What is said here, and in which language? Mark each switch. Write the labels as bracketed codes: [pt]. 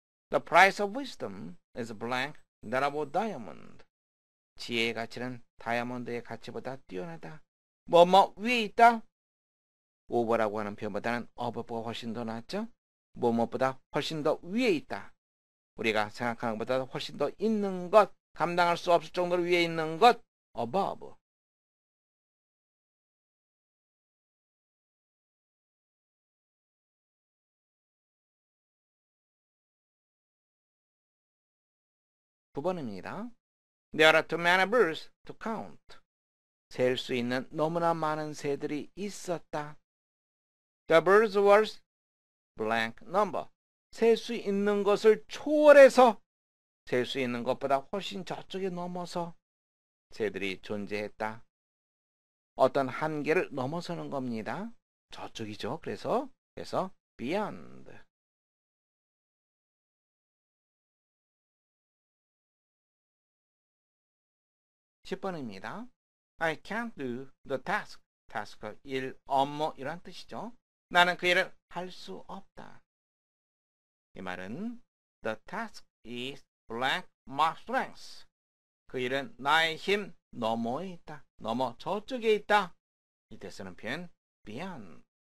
[en] The price of wisdom is blank, not above diamond. [ko] 지혜의 가치는 다이아몬드의 가치보다 뛰어나다. 뭐뭐 위에 있다? over라고 하는 표현보다는 above가 훨씬 더 낫죠? 뭐뭐보다 훨씬 더 위에 있다. 우리가 생각하는 것보다 훨씬 더 있는 것, 감당할 수 없을 정도로 위에 있는 것, above. 9번입니다. [en] There are too many birds to count. [ko] 셀 수 있는 너무나 많은 새들이 있었다. [en] The birds were blank number. [ko] 셀 수 있는 것을 초월해서 셀 수 있는 것보다 훨씬 저쪽에 넘어서 새들이 존재했다. 어떤 한계를 넘어서는 겁니다. 저쪽이죠. 그래서 beyond. 10번입니다. [en] I can't do the task. [ko] task, 일, 업무, 이런 뜻이죠. 나는 그 일을 할 수 없다. 이 말은 [en] The task is blank my strengths. [ko] 그 일은 나의 힘 너머에 있다. 너머 저쪽에 있다. 이때 쓰는 표현 beyond.